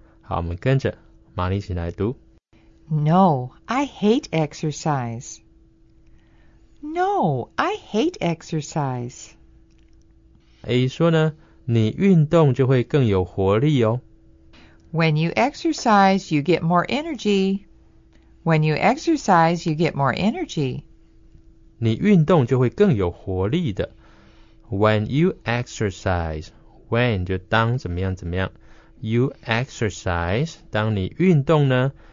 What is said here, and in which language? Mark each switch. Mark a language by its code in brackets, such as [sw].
[zh] 好，我们跟着玛丽一起来读。 [en] No, I hate exercise. No, I hate exercise. [zh] A 说呢，你运动就会更有活力哦。 [en] When you exercise, you get more energy. When you exercise, you get more energy. [zh] 你运动就会更有活力的。 When you exercise, when 就当怎么样怎么样。 You exercise, 当你运动呢。